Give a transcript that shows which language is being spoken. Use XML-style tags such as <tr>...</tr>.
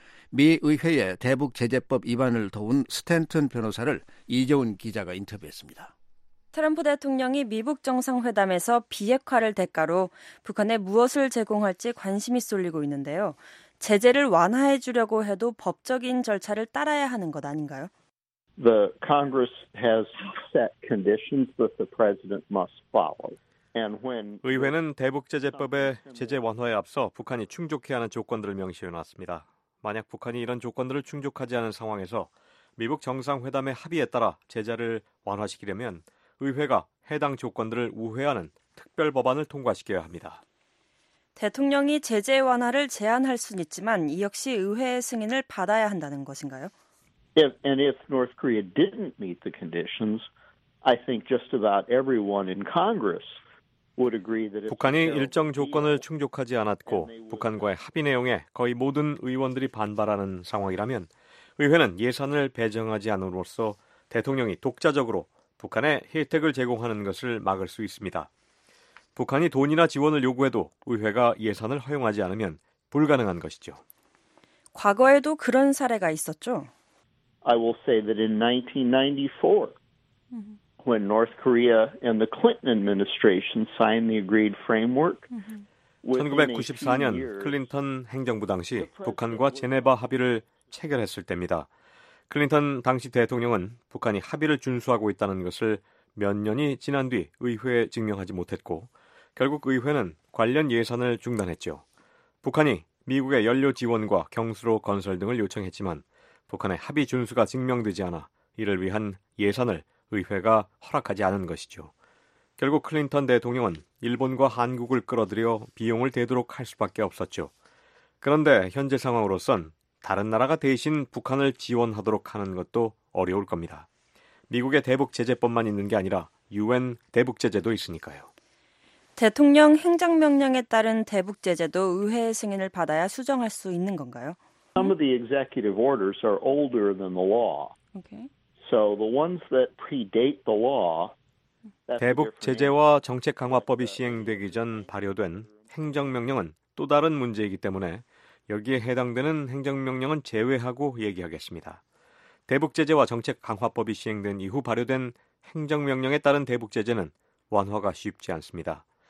<ko>미 의회의 대북 제재법 위반을 도운 스탠턴 변호사를 이재훈 기자가 인터뷰했습니다. 트럼프 대통령이 미북 정상회담에서 비핵화를 대가로 북한에 무엇을 제공할지 관심이 쏠리고 있는데요. 제재를 완화해 주려고 해도 법적인 절차를 따라야 하는 것 아닌가요?</ko> <en>The Congress has set conditions that the president must follow.</en> <ko>의회는 대북제재법의 제재 완화에 앞서 북한이 충족해야 하는 조건들을 명시해놨습니다. 만약 북한이 이런 조건들을 충족하지 않은 상황에서 미북 정상회담의 합의에 따라 제재를 완화시키려면 의회가 해당 조건들을 우회하는 특별법안을 통과시켜야 합니다. 대통령이 제재 완화를 제안할 수는 있지만 이 역시 의회의 승인을 받아야 한다는 것인가요?</ko> <en>If North Korea didn't meet the conditions, I think just about everyone in Congress</en> <ko>북한이 일정 조건을 충족하지 않았고 북한과의 합의 내용에 거의 모든 의원들이 반발하는 상황이라면 의회는 예산을 배정하지 않음으로써 대통령이 독자적으로 북한에 혜택을 제공하는 것을 막을 수 있습니다. 북한이 돈이나 지원을 요구해도 의회가 예산을 허용하지 않으면 불가능한 것이죠. 과거에도 그런 사례가 있었죠.</ko> <en>I will say that in 1994 when North Korea and the Clinton administration signed the agreed framework.</en> <ko>1994년 클린턴 행정부 당시 북한과 제네바 합의를 체결했을 때입니다. 클린턴 당시 대통령은 북한이 합의를 준수하고 있다는 것을 몇 년이 지난 뒤 의회에 증명하지 못했고 결국 의회는 관련 예산을 중단했죠. 북한이 미국의 연료 지원과 경수로 건설 등을 요청했지만 북한의 합의 준수가 증명되지 않아 이를 위한 예산을 의회가 허락하지 않은 것이죠. 결국 클린턴 대통령은 일본과 한국을 끌어들여 비용을 대도록 할 수밖에 없었죠. 그런데 현재 상황으로선 다른 나라가 대신 북한을 지원하도록 하는 것도 어려울 겁니다. 미국의 대북제재법만 있는 게 아니라 UN 대북제재도 있으니까요. 대통령 행정명령에 따른 대북제재도 의회의 승인을 받아야 수정할 수 있는 건가요?</ko> <en>Some of the executive orders are older than the law. Okay. So the ones that predate the law,</en> <ko>대북 제재와 정책 강화법이 시행되기 전 발효된 행정명령은 또 다른 문제이기 때문에 여기에 해당되는 행정명령은 제외하고 얘기하겠습니다. 대북 제재와 정책 강화법이 시행된 이후 발효된 행정명령에 따른 대북 제재는 완화가 쉽지 않습니다.</ko>